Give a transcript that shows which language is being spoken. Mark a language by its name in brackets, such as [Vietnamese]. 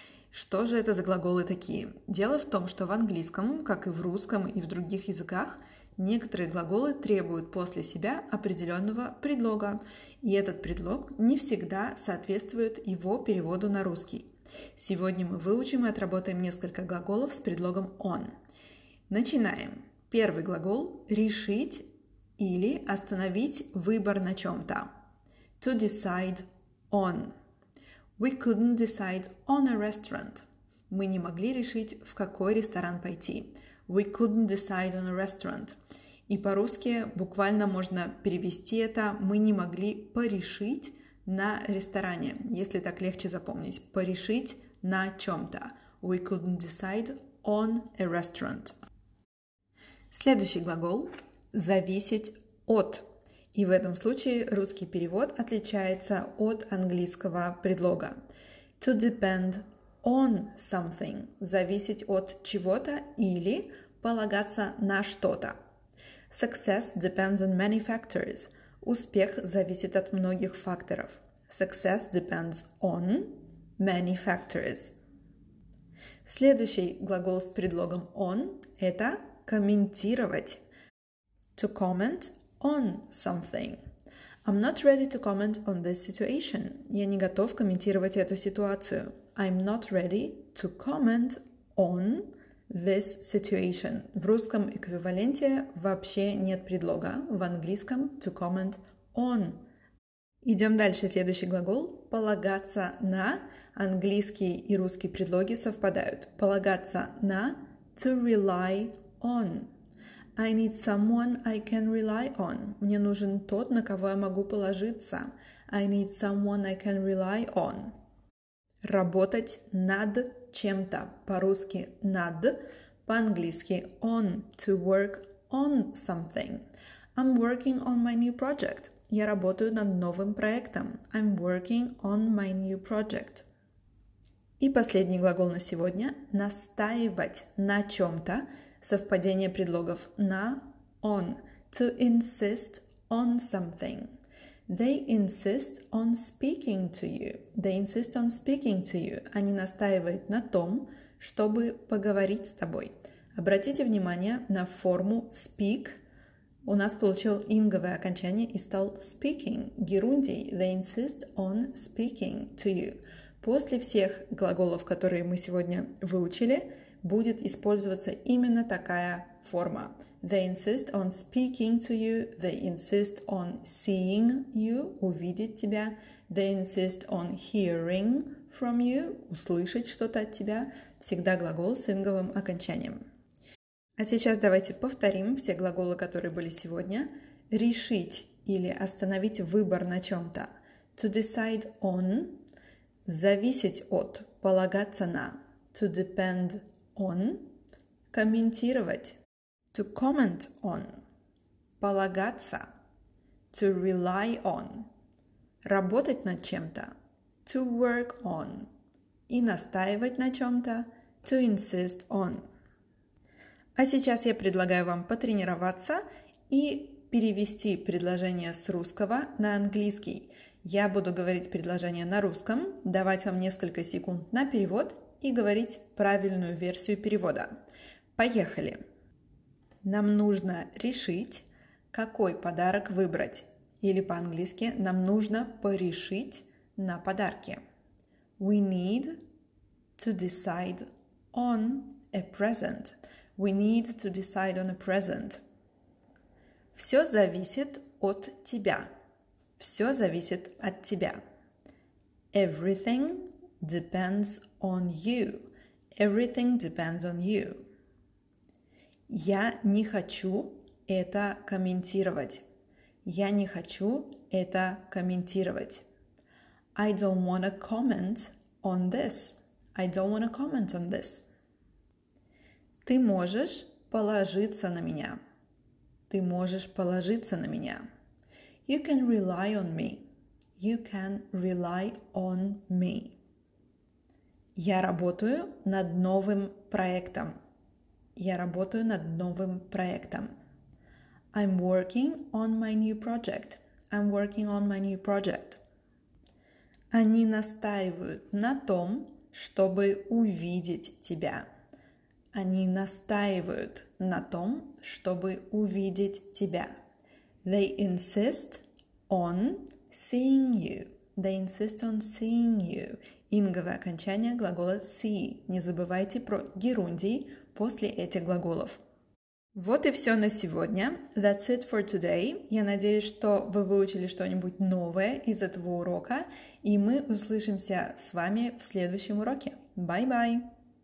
[Russian] Что же это за глаголы такие? Дело в том, что в английском, как и в русском и в других языках, некоторые глаголы требуют после себя определенного предлога, и этот предлог не всегда соответствует его переводу на русский. Сегодня мы выучим и отработаем несколько глаголов с предлогом on. Начинаем! Первый глагол – решить или остановить выбор на чем-то. [English] To decide on. We couldn't decide on a restaurant. [Russian] Мы не могли решить, в какой ресторан пойти. [English] We couldn't decide on a restaurant. [Russian] И по-русски буквально можно перевести это: мы не могли порешить на ресторане, если так легче запомнить. Порешить на чем-то. [English] We couldn't decide on a restaurant. [Russian] Следующий глагол. Зависеть от. И в этом случае русский перевод отличается от английского предлога. [English] To depend on something. [Russian] Зависеть от чего-то или полагаться на что-то. [English] Success depends on many factors. [Russian] Успех зависит от многих факторов. [English] Success depends on many factors. [Russian] Следующий глагол с предлогом on – это комментировать. [English] To comment on something. I'm not ready to comment on this situation. [Russian] Я не готов комментировать эту ситуацию. [English] I'm not ready to comment on this situation. [Russian] В русском эквиваленте вообще нет предлога. В английском [English] to comment on. [Russian] Идем дальше. Следующий глагол. Полагаться на. Английский и русский предлоги совпадают. Полагаться на. [English] To rely on. I need someone I can rely on. [Russian] Мне нужен тот, на кого я могу положиться. [English] I need someone I can rely on. [Russian] Работать над чем-то. По-русски над, по-английски on. [English] To work on something. I'm working on my new project. [Russian] Я работаю над новым проектом. [English] I'm working on my new project. [Russian] И последний глагол на сегодня. Настаивать на чем-то. Совпадение предлогов на on. [English] To insist on something. They insist on speaking to you. They insist on speaking to you. [Russian] Они настаивают на том, чтобы поговорить с тобой. Обратите внимание на форму speak. У нас получил инговое окончание и стал speaking. Герундий. [English] They insist on speaking to you. [Russian] После всех глаголов, которые мы сегодня выучили, будет использоваться именно такая форма. [English] They insist on speaking to you. They insist on seeing you. [Russian] Увидеть тебя. [English] They insist on hearing from you. [Russian] Услышать что-то от тебя. Всегда глагол с инговым окончанием. А сейчас давайте повторим все глаголы, которые были сегодня. Решить или остановить выбор на чем-то. [English] To decide on. [Russian] Зависеть от. Полагаться на. [English] To depend on. On, [Russian] комментировать, [English] to comment on, [Russian] полагаться, [English] to rely on, [Russian] работать над чем-то, [English] to work on, [Russian] и настаивать на чем-то, [English] to insist on. [Russian] А сейчас я предлагаю вам потренироваться и перевести предложение с русского на английский. Я буду говорить предложение на русском, давать вам несколько секунд на перевод и говорить правильную версию перевода. Поехали! Нам нужно решить, какой подарок выбрать. Или по-английски, нам нужно порешить на подарки. [English] We need to decide on a present. We need to decide on a present. [Russian] Все зависит от тебя. Все зависит от тебя. [English] Everything depends on you. Everything depends on you. [Russian] Я не хочу это комментировать. Я не хочу это комментировать. [English] I don't want to comment on this. I don't want to comment on this. [Russian] Ты можешь положиться на меня. Ты можешь положиться на меня. [English] You can rely on me. You can rely on me. [Russian] Я работаю над новым проектом. Я работаю над новым проектом. [English] I'm working on my new project. I'm working on my new project. [Russian] Они настаивают на том, чтобы увидеть тебя. Они настаивают на том, чтобы увидеть тебя. [English] They insist on seeing you. They insist on seeing you. [Russian] Инговое окончание глагола see. Не забывайте про герундий после этих глаголов. Вот и все на сегодня. [English] That's it for today. [Russian] Я надеюсь, что вы выучили что-нибудь новое из этого урока. И мы услышимся с вами в следующем уроке. [English] Bye-bye!